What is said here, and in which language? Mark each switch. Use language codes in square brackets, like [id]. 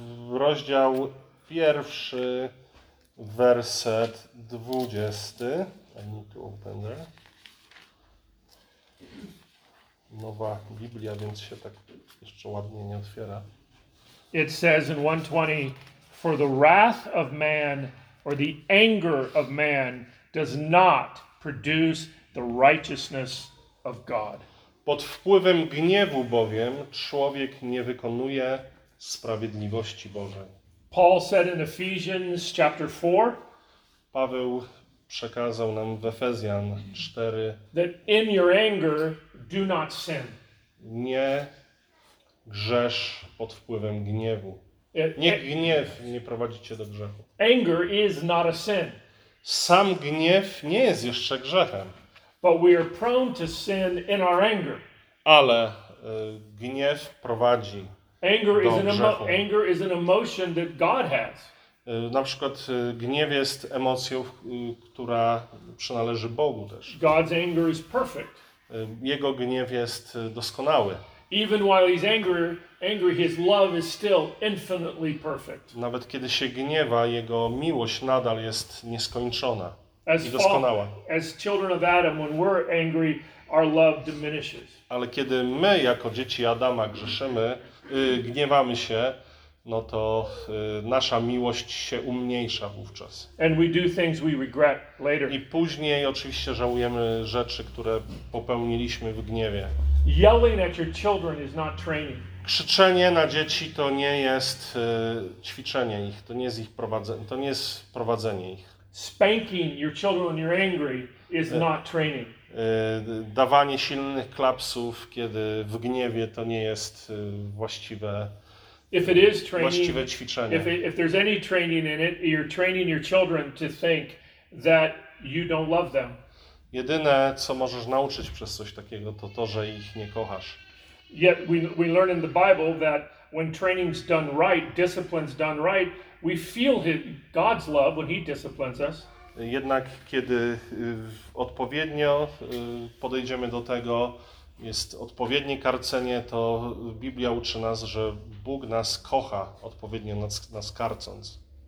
[pl] Rozdział pierwszy, werset 20. [en] I need to open there. [pl] Nowa Biblia, więc się tak jeszcze ładnie nie otwiera. [en] It says in 1:20, for the wrath of man or the anger of man does not produce the righteousness of God. [pl] Pod wpływem gniewu bowiem człowiek nie wykonuje sprawiedliwości Bożej. [en] Paul said in Ephesians chapter 4, [pl] Paweł przekazał nam w Efezjan 4, [en] that in your anger do not sin. [pl] Nie grzesz pod wpływem gniewu. Niech gniew nie prowadzi cię do grzechu. [en] Anger is not a sin. [pl] Sam gniew nie jest jeszcze grzechem. [en] But we are prone to sin in our anger. [pl] Ale gniew prowadzi [en] anger [pl] do grzechu. [en] Anger is an emotion that God has. [pl] Na przykład gniew jest emocją, która przynależy Bogu też. [en] God's anger is perfect. [pl] Jego gniew jest doskonały. [en] Even while he's angry, his love is still infinitely perfect. [pl] Nawet kiedy się gniewa, jego miłość nadal jest nieskończona. As i doskonała. [en] As children of Adam, when we're angry, our love diminishes. [pl] Ale kiedy my jako dzieci Adama grzeszymy, gniewamy się, no to nasza miłość się umniejsza wówczas. [en] And we do things we regret later. [pl] I później oczywiście żałujemy rzeczy, które popełniliśmy w gniewie. [en] Yelling at your children is not training. [pl] Krzyczenie na dzieci to nie jest ćwiczenie ich, to nie jest prowadzenie ich. [en] Spanking your children when you're angry is not training. [pl] Dawanie silnych klapsów, kiedy w gniewie, to nie jest właściwe. [en] If it is training, [pl] właściwe ćwiczenie. [en] If there's any training in it, you're training your children to think that you don't love them. [pl] Jedyne, co możesz nauczyć przez coś takiego, to, że ich nie kochasz. [en] Yet we learn in the Bible that when training's done right, discipline's done right, we feel God's love when he disciplines us. [pl] Jednak kiedy odpowiednio podejdziemy do tego, jest odpowiednie karcenie, to Biblia uczy nas, że Bóg nas kocha odpowiednio nas karcąc.